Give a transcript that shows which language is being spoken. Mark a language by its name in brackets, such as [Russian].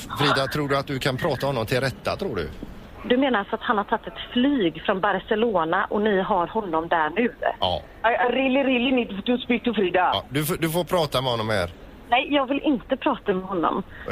[Swedish] Frida, tror du att du kan prata honom till rätta, tror du? Du menar alltså att han har tagit ett flyg från Barcelona och ni har honom där nu? Ja. [English] I really, really need to speak to Frida. [Swedish] Ja, du får prata med honom här. Nej, jag vill inte prata med honom.